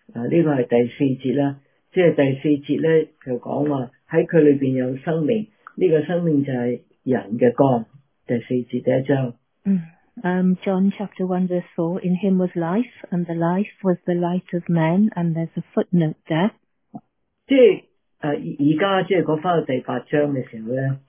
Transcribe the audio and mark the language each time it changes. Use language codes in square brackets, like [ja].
[zh] 这个是第四节啦，即是第四节呢就讲话在他里面有生命，这个生命就是人的光，第四节第一章。 [en] John chapter 1 verse 4, in him was life, and the life was the light of men, and there's a footnote there. [zh] 即是现在即是讲回第八章的时候呢。